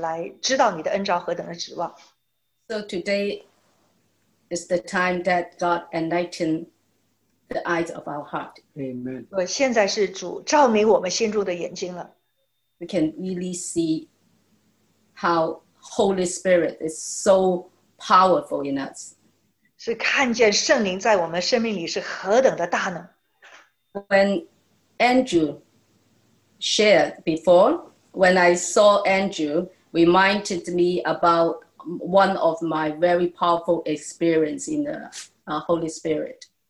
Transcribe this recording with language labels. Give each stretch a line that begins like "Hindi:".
Chinese: 当赵巴讲到今天以弗所书一章十七节，这是很厉害。然后呢，十八节就讲到呢，那打开你的眼睛，可以来知道你的恩召何等的指望。So
English: today is the time that God enlightened the eyes of our heart. Amen.
Chinese: 现在是主照明我们心中的眼睛了。
English: We can really see how Holy Spirit is so powerful in us.
Chinese: 是看见圣灵在我们生命里是何等的大能。
English: When Andrew shared before, when I saw Andrew, reminded me about one of my very powerful experience in the Holy Spirit.